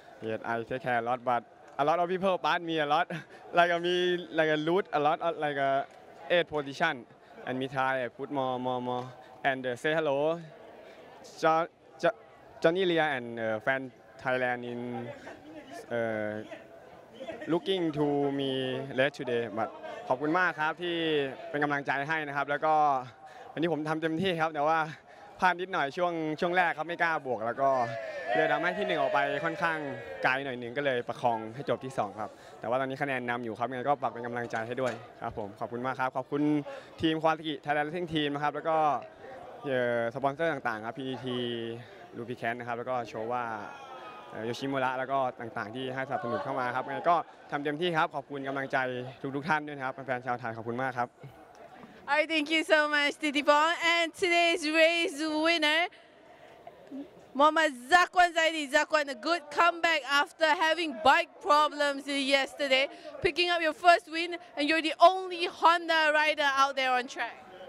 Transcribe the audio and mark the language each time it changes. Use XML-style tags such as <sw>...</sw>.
<en>Yes, I take care a lot, but a lot of people pass me a lot. Like me, like I lose a lot, like eighth position, and me try I put more, and say hello, Johnny Lea and fan Thailand in looking to me late today.</en> <th>But ขอบคุณมากครับที่เป็นกำลังใจให้นะครับแล้วก็วันนี้ผมทำเต็มที่ครับแต่ว่าพลาดนิดหน่อยช่วงแรกครับไม่กล้าบวกแล้วก็เลยทำให้ที่หนึ่งออกไปค่อนข้างไกลหน่อยหนึ่งก็เลยประคองให้จบที่2ครับแต่ว่าตอนนี้คะแนนนำอยู่ครับงั้นก็ฝากเป็นกำลังใจให้ด้วยครับผมขอบคุณมากครับขอบคุณทีมควาสกิไทยแลนด์ซิ่งทีมนะครับแล้วก็ สปอนเซอร์ต่างๆครับพีทีลูพีแคนนะครับแล้วก็โชว่าโยชิมุระแล้วก็ต่างๆที่ให้สนับสนุนเข้ามาครับงั้นก็ทำเต็มที่ครับขอบคุณกำลังใจทุกๆท่านด้วยครับแฟนชาวไทยขอบคุณมากครับ</th> <en>Alright, thank you so much Titi Pong and today's race winnerMuhammad Zakwan Zaidi. Zakwan, a good comeback after having bike problems yesterday, picking up your first win, and you're the only Honda rider out there on track.</en>